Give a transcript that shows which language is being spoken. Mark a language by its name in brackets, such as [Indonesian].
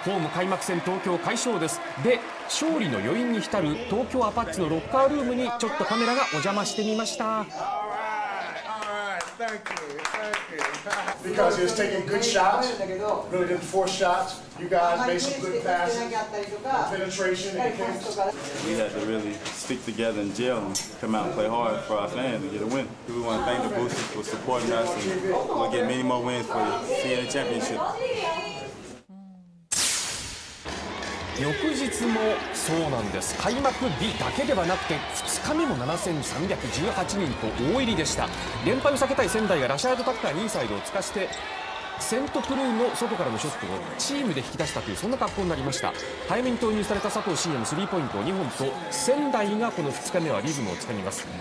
[Japanese] ホーム開幕戦東京快勝です。で勝利の余韻に浸る東京アパッチのロッカールームにちょっとカメラがお邪魔してみました。 [English] Because he was taking good shots, really didn't force shots. You guys made some good passes, penetration, and we had to really stick together and gel and come out and play hard for our fans and get a win. We want to thank the Boosters for supporting us and we'll get many more wins for the CNN Championship. [Japanese] 翌日もそうなんです。開幕日だけではなくて2日目も7318人と大入りでした。連敗を避けたい仙台がラシャードタッカーにインサイドをつかしてセントクルーの外からのショットをチームで引き出したというそんな格好になりました。早めに投入された佐藤慎也のスリーポイントを2本と仙台がこの2日目はリズムをつかみます。